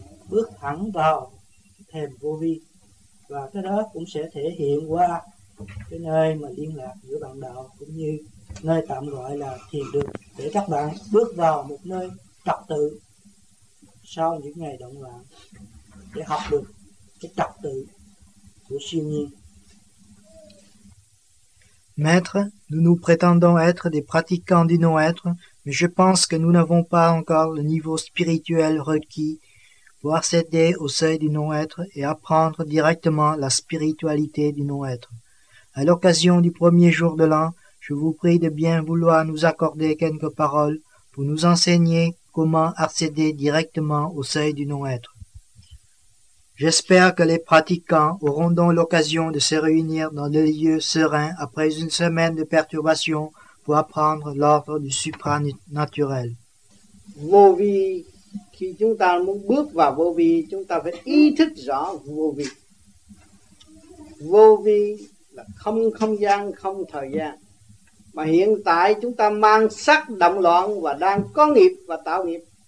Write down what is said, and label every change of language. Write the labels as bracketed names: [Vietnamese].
[Vietnamese] bước thẳng vào thềm vô vi, và cái đó cũng sẽ thể hiện qua cái nơi mà liên lạc giữa bạn đạo cũng như nơi tạm gọi là thiền đường, để các bạn bước vào một nơi trật tự sau những ngày động loạn để học được cái trật tự của siêu nhiên. [French] Maître, nous nous prétendons être des pratiquants du non-être, mais je pense que nous n'avons pas encore le niveau spirituel requis pour accéder au seuil du non-être et apprendre directement la spiritualité du non-être. À l'occasion du premier jour de l'an, je vous prie de bien vouloir nous accorder quelques paroles pour nous enseigner comment accéder directement au seuil du non-être. J'espère que les pratiquants auront donc l'occasion de se réunir dans des lieux sereins après une semaine de perturbations pour apprendre l'ordre du supranaturel. [Vietnamese] Vô vi, khi chúng ta muốn bước vào vô vi, chúng ta phải ý thức rõ vô vi. Vô vi là không không gian, không thời gian. Mà hiện tại chúng ta mang sắc động loạn và đang có nghiệp và tạo nghiệp.